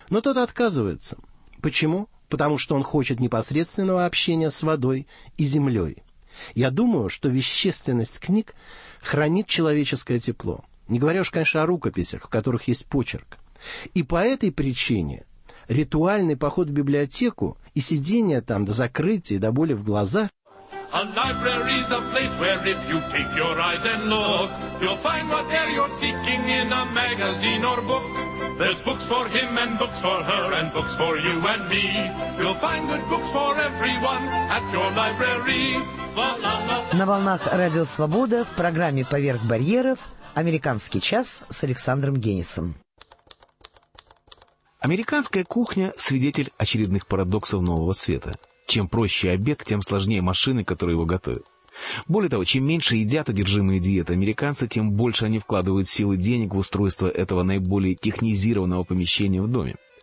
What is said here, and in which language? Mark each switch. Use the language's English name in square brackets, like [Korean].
[Russian] Но тот отказывается. Почему? Потому что он хочет непосредственного общения с водой и землей. Я думаю, что вещественность книг хранит человеческое тепло. Не говоря уж, конечно, о рукописях, в которых есть почерк. И по этой причине ритуальный поход в библиотеку и сидение там до закрытия, до боли в глазах. [English] A library is a place where if you take your eyes and look, you'll find whatever you're seeking in a magazine or book. There's books for him and books for her and books for you and me. You'll find good books for everyone at your library. [Russian] На волнах Радио Свобода в программе «Поверх барьеров» «Американский час» с Александром Генисом. Американская кухня – свидетель очередных парадоксов нового света. Чем проще обед, тем сложнее машины, которые его готовят. Более того, чем меньше едят одержимые диеты американцы, тем больше они вкладывают силы денег в устройство этого наиболее технизированного помещения в доме.